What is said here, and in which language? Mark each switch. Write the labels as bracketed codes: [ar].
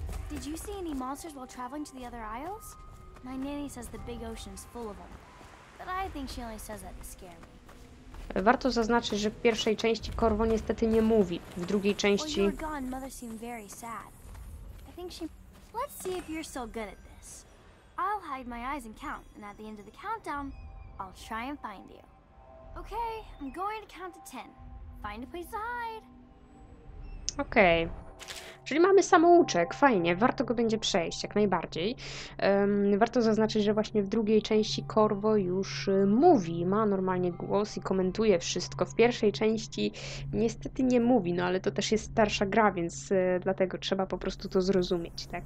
[en] Did you see any monsters while traveling to the other isles? My nanny says the big ocean is full of them. But I think she only says that to scare me. [pl] Warto zaznaczyć, że w pierwszej części Corvo niestety nie mówi. W drugiej części... [en] Well, you're gone. Mother seemed very sad. I think she... Let's see if you're still good at this. I'll hide my eyes and count, and at the end of the countdown, I'll try and find you. Okay, I'm going to count to 10. Find a place to hide. [pl] Okej. Czyli mamy samouczek, fajnie, warto go będzie przejść, jak najbardziej. Warto zaznaczyć, że właśnie w drugiej części Corvo już mówi, ma normalnie głos i komentuje wszystko. W pierwszej części niestety nie mówi, no ale to też jest starsza gra, więc dlatego trzeba po prostu to zrozumieć. Tak?